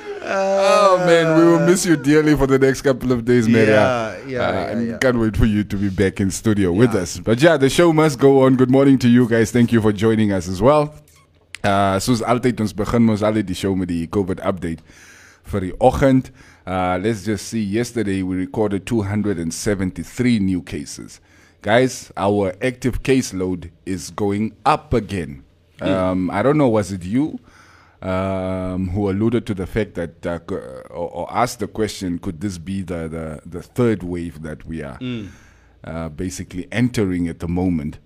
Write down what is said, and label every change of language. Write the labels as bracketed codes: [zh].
[en] Oh man, we will miss you dearly for the next couple of days, Maria. Can't wait for you to be back in studio with us. But yeah, the show must go on. Good morning to you guys. Thank you for joining us as well. [af] Soos altyd, ons begin mos al die show met die COVID update vir die oggend. [en] Let's just see. Yesterday, we recorded 273 new cases. Guys, our active case load is going up again. I don't know, was it you who alluded to the fact that or asked the question, could this be the third wave that we are basically entering at the moment?